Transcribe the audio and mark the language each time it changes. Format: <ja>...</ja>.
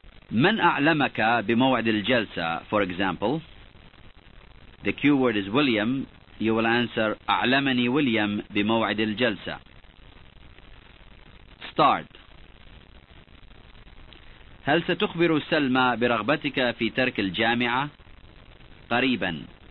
<ar>من أعلمك بموعد الجلسة,</ar> <en>for example? The cue word is William. You will answer,</en> <ar>أعلمني William بموعد الجلسة.</ar> <en>Start.</en> <ar>هل ستخبر سلمى برغبتك في ترك الجامعة؟ قريبا.</ar>